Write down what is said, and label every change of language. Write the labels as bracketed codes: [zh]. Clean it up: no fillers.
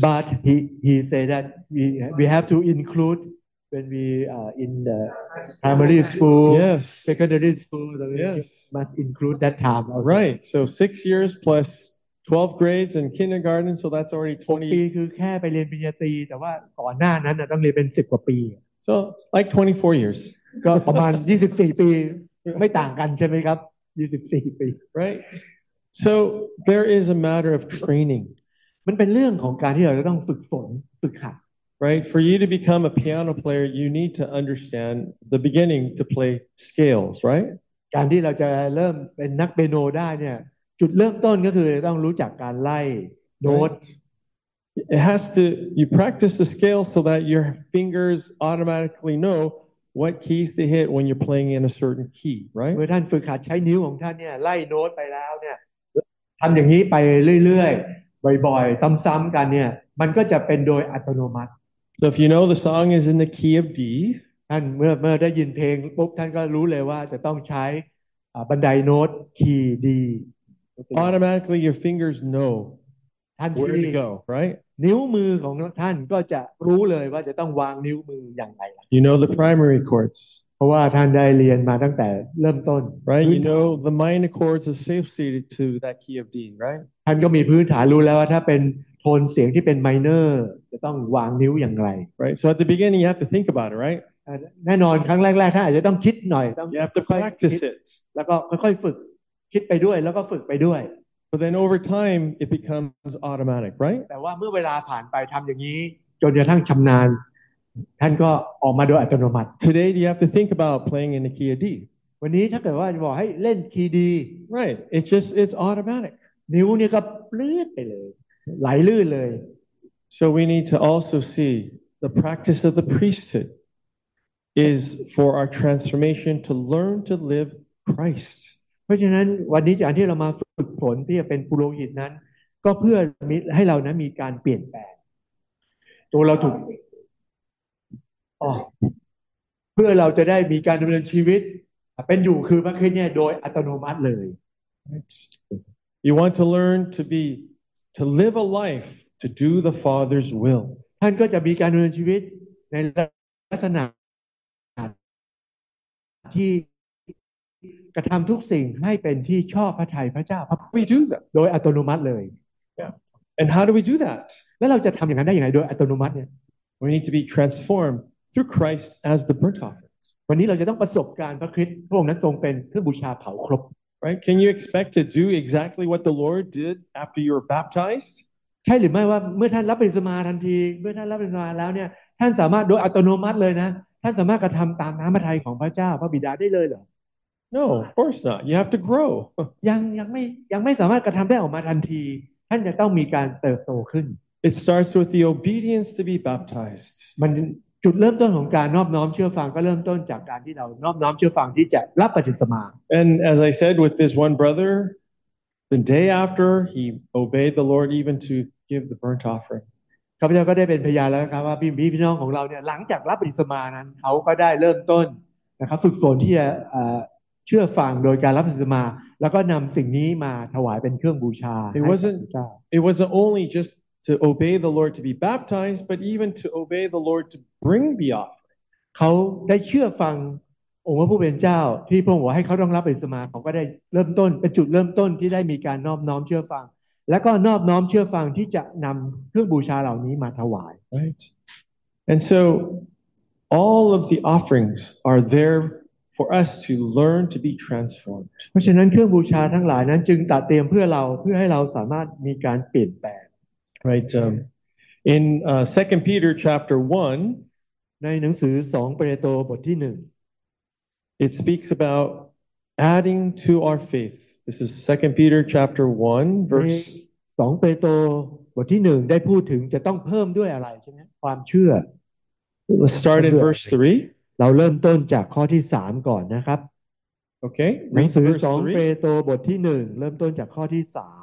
[en] But he said that we have to include when we are in the primary school, yes. secondary school, yes. must include that time. Okay. Right. So 6 years plus 12 grades and kindergarten, so that's already 20. [th] ปีคือแค่ไปเรียนปริญญาตรีแต่ว่าก่อนหน้านั้นต้องเรียนเป็น10กว่าปี [en] So like 24 years. [th] ก็ประมาณ24ปีไม่ต่างกันใช่ไหมครับ24ปี [en] right so there is a matter of training [th] มันเป็นเรื่องของการที่เราจะต้องฝึกฝนฝึกหัด [en] right for you to become a piano player you need to understand the beginning to play scales right [th] การที่เราจะเริ่มเป็นนักเปียโนได้เนี่ยจุดเริ่มต้นก็คือต้องรู้จักการไล่โน้ต [en] it has to you practice the scale so that your fingers automatically knowWhat keys to hit when you're playing in a certain key, right? [th] เมื่อท่านฝึกหัดใช้นิ้วของท่านเนี่ยไล่โน้ตไปแล้วเนี่ยทำอย่างนี้ไปเรื่อยๆ บ่อยๆซ้ำๆกันเนี่ยมันก็จะเป็นโดยอัตโนมัติ [en] So if you know the song is in the key of D [th] ท่านเมื่อได้ยินเพลงปุ๊บท่านก็รู้เลยว่าจะต้องใช้บันไดโน้ตคีย์ D [en] Automatically your fingers know [th] ท่าน [en] Where to go, right? [th] นิ้วมือของท่านก็จะรู้เลยว่าจะต้องวางนิ้วมืออย่างไร [en] You know the primary chords [th] เพราะว่าท่านได้เรียนมาตั้งแต่เริ่มต้น [en] Right? You know the minor chords associated to that key of D, right? [th] ท่านก็มีพื้นฐานรู้แล้วว่าถ้าเป็นโทนเสียงที่เป็นไมเนอร์จะต้องวางนิ้วอย่างไร [en] Right? So at the beginning you have to think about it, right? [th] แน่นอนครั้งแรกๆท่านอาจจะต้องคิดหน่อยต้ อง ค่อยๆ [en] practice it [th] แล้วก็ค่อยๆฝึกคิดไปด้วยแล้วก็ฝึกไปด้วย [en] But then over time, it becomes automatic, right? [th] แต่ว่าเมื่อเวลาผ่านไปทำอย่างนี้จนกระทั่งชำนาญท่านก็ออกมาโดยอัตโนมัติ [en] Today, you have to think about playing in the key of D. [th] วันนี้ถ้าเกิดว่าจะบอกให้เล่นคีย์ D [en] Right, it's automatic. [th] นิ้วนี่ก็ลื่นไปเลยไหลลื่นเลย [en] So we need to also see the practice of the priesthood is for our transformation to learn to live Christ. [th] เพราะฉะนั้นวันนี้การที่เรามาฝึกฝนที่จะเป็นปุโรหิตนั้นก็เพื่อมีให้เรานั้นมีการเปลี่ยนแปลงตัวเราถูกเพื่อเราจะได้มีการดำเนินชีวิตเป็นอยู่คือพระคริสต์เนี่ยโดยอัตโนมัติเลย [en] You want to learn to live a life to do the Father's will [th] ท่านก็จะมีการดำเนินชีวิตในลักษณะที่กระทำทุกสิ่งให้เป็นที่ชอบพระทัยพระเจ้าพระ [en] We do that [th] โดยอัตโนมัติเลย [en] Yeah And how do we do that [th] แล้วเราจะทำอย่างนั้นได้อย่างไรโดยอัตโนมัติเนี่ย [en] We need to be transformed through Christ as the burnt offering [th] วันนี้เราจะต้องประสบการณ์พระคริสต์พระองค์นั้นทรงเป็นเครื่องบูชาเผาครบ [en] Right Can you expect to do exactly what the Lord did after you were baptized [th] ใช่หรือไม่ว่าเมื่อท่านรับบัพติศมาทันทีเมื่อท่านรับบัพติศมาแล้วเนี่ยท่านสามารถโดยอัตโนมัติเลยนะท่านสามารถกระทำตามน้ำพระทัยของพระเจ้าพระบิดาได้เลยเหรอ [en] No, of course not. You have to grow. [th] ยังไม่สามารถกระทำได้ออกมาทันทีท่านจะต้องมีการเติบโตขึ้น [en] It starts with the obedience to be baptized. [th] มันจุดเริ่มต้นของการนอบน้อมเชื่อฟังก็เริ่มต้นจากการที่เรานอบน้อมเชื่อฟังที่จะรับบัพติศมา [en] And as I said with this one brother, the day after he obeyed the Lord even to give the burnt offering. [th] ข้าพเจ้าก็ได้เป็นพยานแล้วครับว่าพี่น้องของเราเนี่ยหลังจากรับบัพติศมานั้นเขาก็ได้เริ่มต้นนะครับฝึกฝนที่จะเชื่อฟังโดยการรับบัพติศมาแล้วก็นำสิ่งนี้มาถวายเป็นเครื่องบูชา [en] It wasn't only just to obey the Lord to be baptized but even to obey the Lord to bring the offering [th] เขาได้เชื่อฟังองค์พระผู้เป็นเจ้าที่พระองค์ให้เขาต้องรับบัพติศมาเขาก็ได้เริ่มต้นเป็นจุดเริ่มต้นที่ได้มีการนอบน้อมเชื่อฟังแล้วก็นอบน้อมเชื่อฟังที่จะนำเครื่องบูชาเหล่านี้มาถวาย [en] Right And so all of the offerings are thereFor us to learn to be transformed. [th] เพราะฉะนั้นเครื่องบูชาทั้งหลายนั้นจึงตัดเตรียมเพื่อเราเพื่อให้เราสามารถมีการเปลี่ยนแปลง [en] Right. In 2 Peter chapter 1, [th] ในหนังสือ2เปโตรบทที่1 [en] it speaks about adding to our faith. This is 2 Peter chapter 1, verse [th] 2เปโตรบทที่1ได้พูดถึงจะต้องเพิ่มด้วยอะไรใช่ไหมความเชื่อ [en] Let's start in verse 3. [th] เราเริ่มต้นจากข้อที่3ก่อนนะครับ โอเค หนังสือ2เปโตรบทที่1เริ่มต้นจากข้อที่3